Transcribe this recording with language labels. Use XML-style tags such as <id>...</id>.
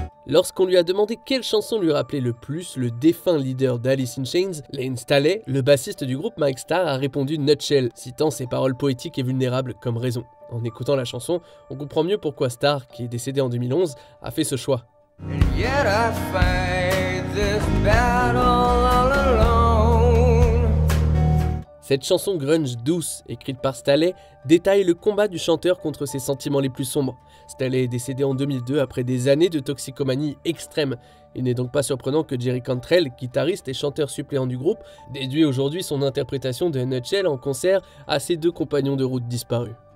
<fr>Lorsqu'on lui a demandé quelle chanson lui rappelait le plus le défunt leader d'Alice in Chains, Lane Staley, le bassiste du groupe Mike Starr, a répondu Nutshell, citant ses paroles poétiques et vulnérables comme raison. En écoutant la chanson, on comprend mieux pourquoi Starr, qui est décédé en 2011, a fait ce choix.</fr> <en>And yet I fight this battle all alone.</en> <fr>Cette chanson grunge douce, écrite par Staley, détaille le combat du chanteur contre ses sentiments les plus sombres. Staley est décédé en 2002 après des années de toxicomanie extrême. Il n'est donc pas surprenant que Jerry Cantrell, guitariste et chanteur suppléant du groupe, déduit aujourd'hui son interprétation de Nutshell en concert à ses deux compagnons de route disparus.</fr>